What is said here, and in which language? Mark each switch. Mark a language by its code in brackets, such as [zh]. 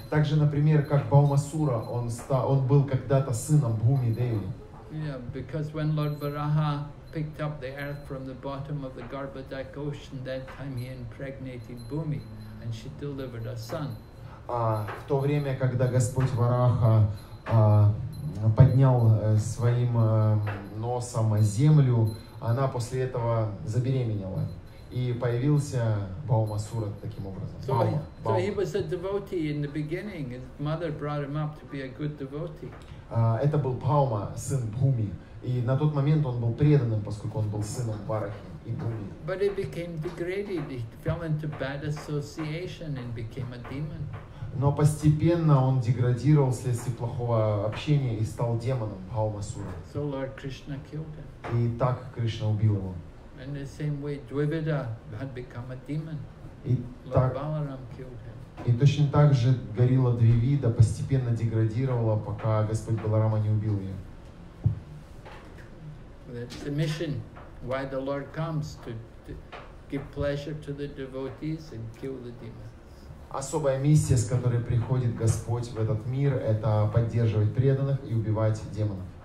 [ru] Также, например, как Бхаумасура, он был когда-то сыном Бхуми Деви. [en] Yeah, because when Lord Varaha picked up the earth from the bottom of the Garbhodak ocean, that time he impregnated Bhumi, and she delivered a son. [ru] В то время, когда Господь Вараха поднял своим носом землю, она после этого забеременела. И появился Бхаумасура таким образом. [en] So he was a devotee in the beginning. His mother brought him up to be a good devotee. [ru] Это был Бхаума, сын Бхуми. И на тот момент он был преданным, поскольку он был сыном Варахи и Бхуми. [en] But he became degraded. He fell into bad association and became a demon. [ru] Но постепенно он деградировал вследствие плохого общения и стал демоном Бхаумасура. [en] So Lord Krishna killed him. [ru] И так Кришна убил его. [en] In the same way, Dvivida had become a demon. Lord Balaram killed him. [ru] И точно так же горилла Двивида постепенно деградировала, пока Господь Баларама не убил ее. [en] That's the mission. Why the Lord comes to give pleasure to the devotees and kill the demons. [ru] Особая миссия, с которой приходит Господь в этот мир, это поддерживать преданных и убивать демонов.